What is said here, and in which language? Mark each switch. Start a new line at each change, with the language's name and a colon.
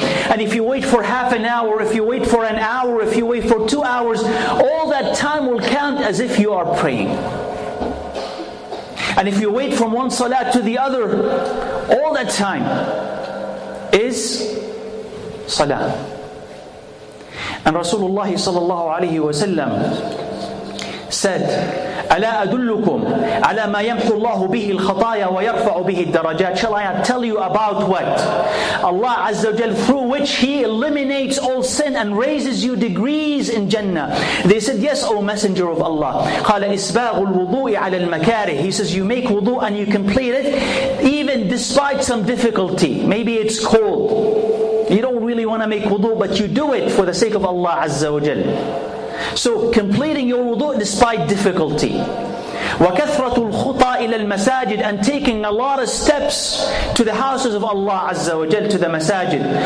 English: And if you wait for half an hour, if you wait for an hour, if you wait for 2 hours, all that time will count as if you are praying. And if you wait from one salah to the other, all that time is salah. And Rasulullah sallallahu alayhi wa sallam said,
Arabic: ألا أدلكم على ما يمحو الله به الخطايا ويرفع به الدرجات.
English: Shall I tell you about what Allah Azza wa Jal, through which He eliminates all sin and raises you degrees in Jannah? They said, yes, O Messenger of Allah.
Arabic: قال إسباغ الوضوء على المكاره.
English: He says, you make wudu and you complete it even despite some difficulty. Maybe it's cold. You don't really want to make wudu, but you do it for the sake of Allah Azza wa Jal. So completing your wudu despite difficulty.
Arabic: وَكَثْرَةُ الْخُطَى إِلَى الْمَسَاجِدِ,
English: and taking a lot of steps to the houses of Allah Azza wa Jal, to the masajid.